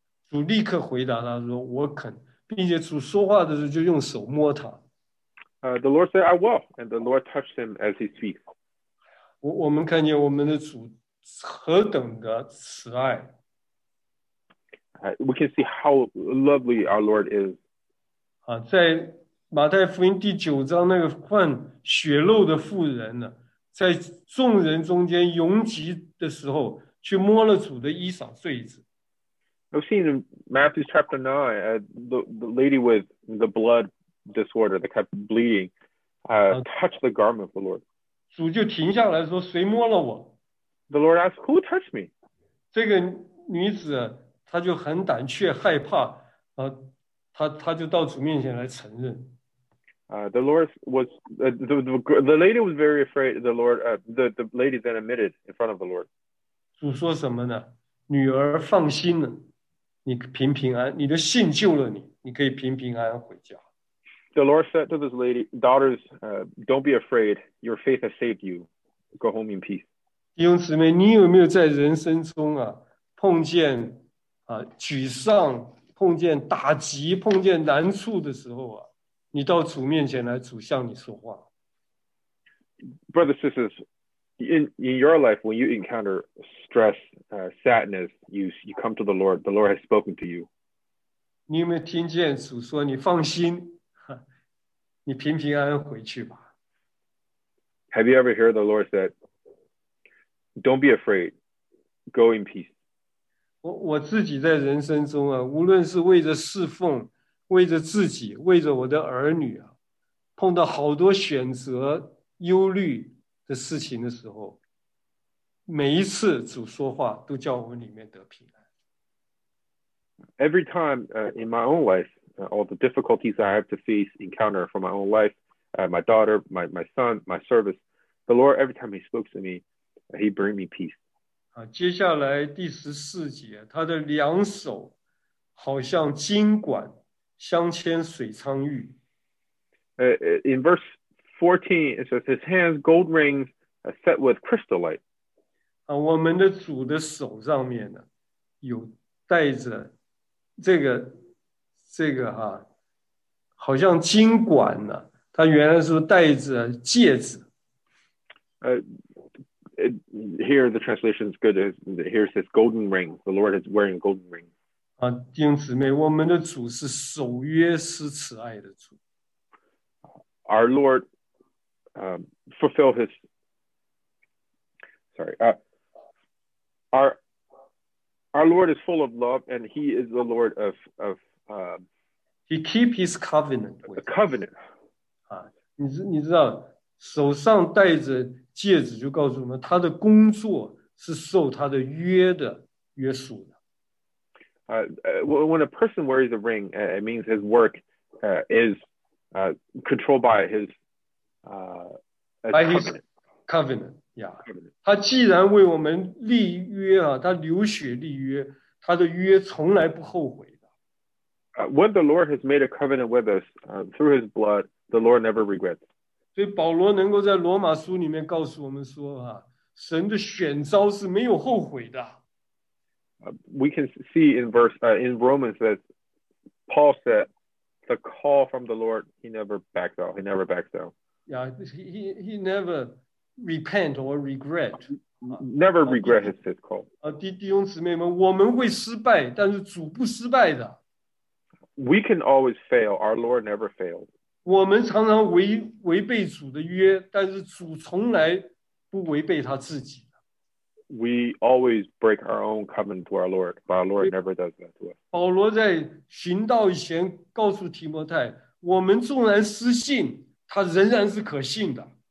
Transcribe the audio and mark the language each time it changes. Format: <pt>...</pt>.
<zh>主立刻回答他说：“我肯，并且主说话的时候就用手摸他。”</zh> <en>The Lord said, "I will," and the Lord touched him as he speaks.</en> <zh>我们看见我们的主。何等的慈爱！</zh> <en>We can see how lovely our Lord is.</en> <zh>啊，在马太福音第九章那个患血漏的妇人呢，在众人中间拥挤的时候，去摸了主的衣裳穗子。</zh> <en>I've seen in Matthew chapter 9, the lady with the blood disorder that kept bleeding, touched the garment of the Lord.</en> <zh>主就停下来说，谁摸了我？</zh> <en>The Lord asked, who touched me?</en> <zh>这个女子她就很胆怯害怕，她就到主面前来承认。</zh> <en>The Lord was, the lady was very afraid, the Lord, the lady then admitted in front of the Lord.</en> <zh>主说什么呢？女儿放心了。你平平安，你的信救了你，你可以平平安安回家。</zh> <en>The Lord said to this lady, daughters, don't be afraid. Your faith has saved you. Go home in peace.</en> <zh>弟兄姊妹，你有没有在人生中啊，碰见啊沮丧，碰见打击，碰见难处的时候啊，你到主面前来，主向你说话。</zh> <en>Brothers, sisters, in your life, when you encounter stress, sadness, you come to the Lord. The Lord has spoken to you.</en> <zh>你有没有听见主说你放心，你平平安安回去吧？</zh> <en>Have you ever heard the Lord said, "Don't be afraid, go in peace"?</en> <zh>我自己在人生中啊，无论是为着侍奉，为着自己，为着我的儿女啊，碰到好多选择忧虑的事情的时候，每一次主说话都叫我里面得平安。</zh> <en>Every time in my own life, all the difficulties I have to face, encounter for my own life, my daughter, my son, my service, the Lord, every time he spoke to me, he bring me peace.</en> <zh>接下来第十四节，他的两手好像金管镶嵌水苍玉。</zh> <en>In verse 14, it says his hands, gold rings, set with crystal light.</en> <zh>我们的主的手上面呢，有带着这个哈，好像金管呢，他原来是带着戒指。</zh> <en>Here the translation is good. Here says golden ring. The Lord is wearing a golden ring.</en> <zh>弟兄姊妹，我们的主是守约施慈爱的主。</zh> <en>Our Lord, fulfill his. Sorry, our Lord is full of love, and he is the Lord of. He keep his covenant. A covenant.</en> <zh>你知道手上戴着戒指，就告诉我们他的工作是受他的约的约束的。</zh> <en>When a person wears a ring, it means his work is controlled by his by his covenant. Yeah.</en> <zh>他既然为我们立约啊，他流血立约，他的约从来不后悔。</zh> <en>When the Lord has made a covenant with us through his blood, the Lord never regrets.</en> <zh>所以保罗能够在罗马书里面告诉我们说啊，神的选召是没有后悔的。</zh> <en>We can see in verse in Romans that Paul said the call from the Lord, he never backs out. He never backs down. Yeah, he never repent or regret. Never regret his call.</en> <zh>弟兄姊妹们，我们会失败，但是主不失败的。</zh> <en>We can always fail. Our Lord never failed.</en> <zh>我们常常违背主的约，但是主从来不违背他自己。</zh> <en>We always break our own covenant to our Lord, but our Lord never does that to us.</en> <zh>保罗在寻道以前告诉提摩太，我们纵然失信，他仍然是可信的。</zh>